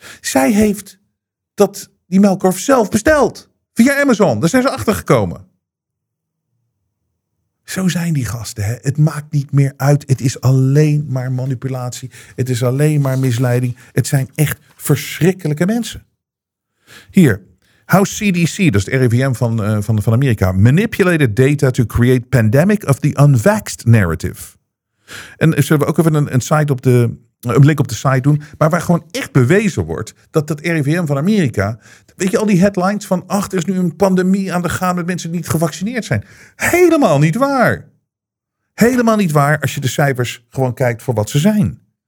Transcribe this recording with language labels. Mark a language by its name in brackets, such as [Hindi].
[Dutch] Zij heeft die muilkorf zelf besteld. Via Amazon, daar zijn ze achtergekomen. Zo zijn die gasten. Hè? Het maakt niet meer uit. Het is alleen maar manipulatie. Het is alleen maar misleiding. Het zijn echt verschrikkelijke mensen. Hier. House CDC, dat is het RIVM van Amerika. [English] Manipulated data to create pandemic of the unvaxxed narrative. [Dutch] En zullen we ook even een link op de site doen. Maar waar gewoon echt bewezen wordt dat dat RIVM van Amerika. Weet je al die headlines van ach, er is nu een pandemie aan de gang met mensen die niet gevaccineerd zijn. Helemaal niet waar. Helemaal niet waar als je de cijfers gewoon kijkt voor wat ze zijn.